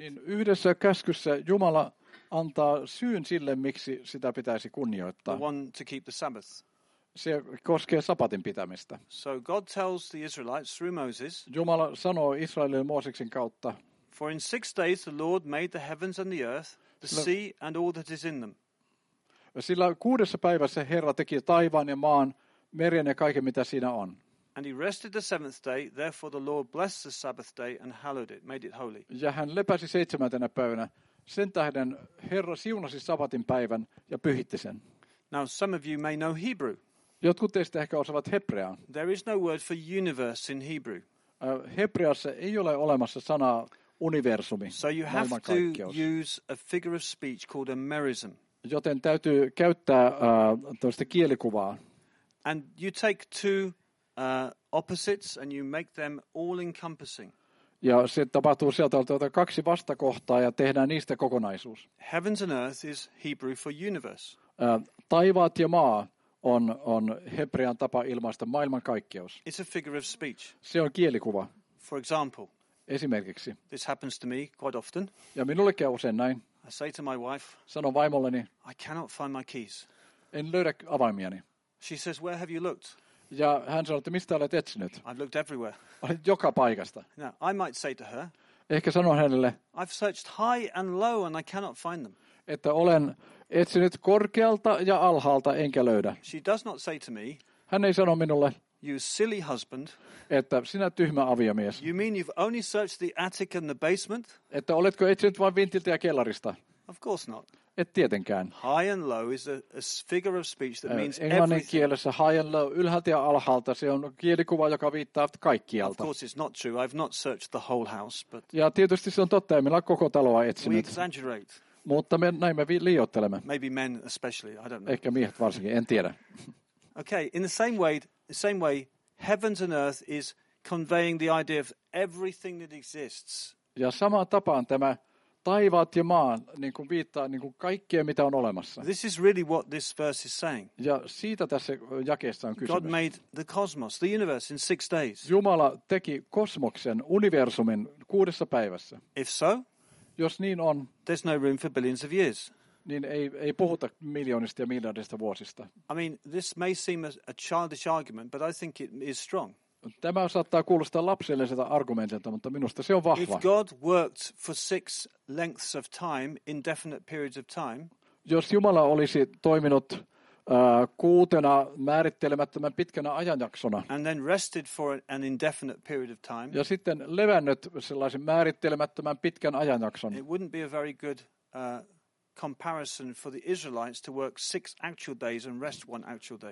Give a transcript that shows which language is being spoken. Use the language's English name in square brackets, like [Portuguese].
[Finnish] Niin yhdessä käskyssä Jumala antaa syyn sille, miksi sitä pitäisi kunnioittaa. [English] The one to keep the Sabbath. [Finnish] Se koskee sapatin pitämistä. [English] So God tells the Israelites through Moses. [Finnish] Jumala sanoo Israelille Mooseksen kautta. [English] For in 6 days the Lord made the heavens and the earth, the sea and all that is in them. [Finnish] Sillä kuudessa päivässä Herra teki taivaan ja maan, meren ja kaiken, mitä siinä on. [English] And he rested the seventh day, therefore the Lord blessed the Sabbath day and hallowed it, made it holy. [Finnish] Ja hän lepäsi seitsemäntenä päivänä. Sen tähden Herra siunasi sabatin päivän ja pyhitti sen. [English] Now some of you may know Hebrew. [Finnish] Jotkut teistä ehkä osaavat hebreaa. [English] There is no word for universe in Hebrew. [Finnish] Hebreassa ei ole olemassa sanaa universumi, [English] so you have to use a figure of speech called a merism. [Finnish] Joten täytyy käyttää tällaista kielikuvaa. [English] And you take two opposites and you make them all encompassing. [Finnish] Ja se tapahtuu sieltä, että kaksi vastakohtaa ja tehdään niistä kokonaisuus. [English] Heavens and earth is Hebrew for universe. [Finnish] Taivaat ja maa on hebrean tapa ilmaista maailmankaikkeus. [English] It's a figure of speech. [Finnish] Se on kielikuva. [English] For example. [Finnish] Esimerkiksi. [English] This happens to me quite often. [Finnish] Ja minullekin usein näin. [English] I say to my wife. [Finnish] Sanon vaimolleni. [English] I cannot find my keys. [Finnish] En löydä avaimiani. [English] She says, "Where have you looked?" [Finnish] Ja hän sanoi, että mistä olet etsinyt? [English] I've looked everywhere. [Finnish] Olet joka paikasta. [English] Now, I might say to her. [Finnish] Ehkä sanon hänelle. [English] I've searched high and low and I cannot find them. [Finnish] Että olen etsinyt korkealta ja alhaalta enkä löydä. [English] She does not say to me. [Finnish] Hän ei sano minulle. [English] You silly husband. [Finnish] Että sinä tyhmä aviomies. [English] You mean you've only searched the attic and the basement? [Finnish] Että oletko etsinyt vain vintiltä ja kellarista? [English] Of course not. [Finnish] Et tietenkään. [English] High and low is a figure of speech that means everything. [Finnish] Englannin kielessä [English] high and low, [Finnish] ylhäältä ja alhaalta, se on kielikuva, joka viittaa kaikkialta. [English] Of course it's not true. I've not searched the whole house, but. [Finnish] Ja tietysti se on totta, en minä koko taloa etsinyt. [English] We exaggerate. [Finnish] Mutta me näin me liioittelemme. [English] Maybe men especially, I don't know. [Finnish] Ehkä miehet varsinkin, en tiedä. [English] Okay, in the same way heavens and earth is conveying the idea of everything that exists. [Finnish] Ja samaan tapaan tämä taivaat ja maa niin kuin viittaa niin kuin kaikkea, mitä on olemassa. [English] This is really what this verse is saying. [Finnish] Ja siitä tässä jakeessa on kysymys. [English] God made the cosmos, the universe in 6 days. [Finnish] Jumala teki kosmoksen, universumin kuudessa päivässä. [English] If so, [Finnish] jos niin on, [English] there's no room for billions of years. [Finnish] Niin ei puhuta miljoonista ja miljardista vuosista. [English] I mean, this may seem a childish argument, but I think it is strong. [Finnish] Tämä saattaa kuulostaa lapselliselta argumentilta, mutta minusta se on vahva. [English] If God worked for 6 lengths of time, indefinite periods of time, [Finnish] jos Jumala olisi toiminut kuutena määrittelemättömän pitkänä ajanjaksona, [English] and then rested for an indefinite period of time, [Finnish] ja sitten levännyt sellaisen määrittelemättömän pitkän ajanjakson, [English] it wouldn't be a very good comparison for the Israelites to work 6 actual days and rest 1 actual day.